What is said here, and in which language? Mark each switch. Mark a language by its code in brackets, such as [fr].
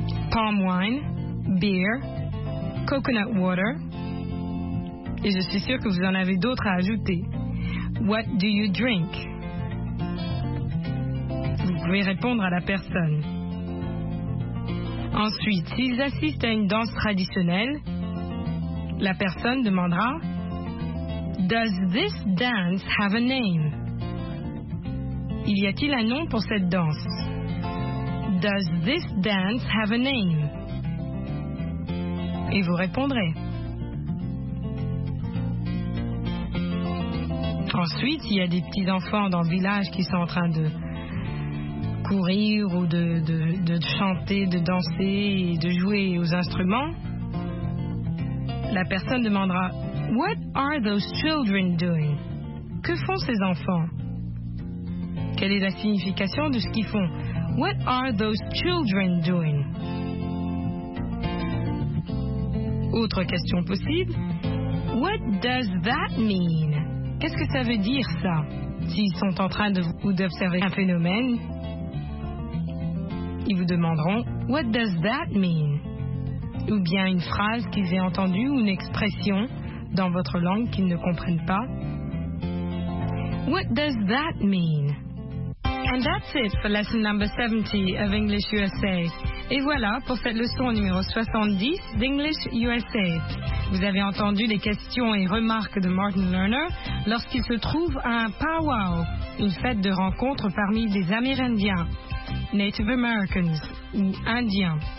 [en] Palm wine, beer, coconut water. [fr] Et je suis sûre que vous en avez d'autres à ajouter. [en] What do you drink? [fr] Vous pouvez répondre à la personne. Ensuite, s'ils assistent à une danse traditionnelle, la personne demandera, [en] does this dance have a name? [fr] Il y a-t-il un nom pour cette danse? [en] Does this dance have a name? [fr] Et vous répondrez. Ensuite, il y a des petits-enfants dans le village qui sont en train de courir ou de chanter, de danser et de jouer aux instruments. La personne demandera, [en] what are those children doing? [fr] Que font ces enfants? Quelle est la signification de ce qu'ils font? [en] What are those children doing? [fr] Autre question possible, [en] what does that mean? [fr] Qu'est-ce que ça veut dire, ça, s'ils sont en train de ou d'observer un phénomène? Ils vous demanderont, [en] what does that mean? [fr] Ou bien une phrase qu'ils aient entendue ou une expression dans votre langue qu'ils ne comprennent pas. [en] What does that mean? And that's it for lesson number 70 of English USA. [fr] Et voilà pour cette leçon numéro 70 d'English USA. Vous avez entendu les questions et remarques de Martin Lerner lorsqu'il se trouve à un powwow, une fête de rencontre parmi des Amérindiens, Native Americans ou Indiens.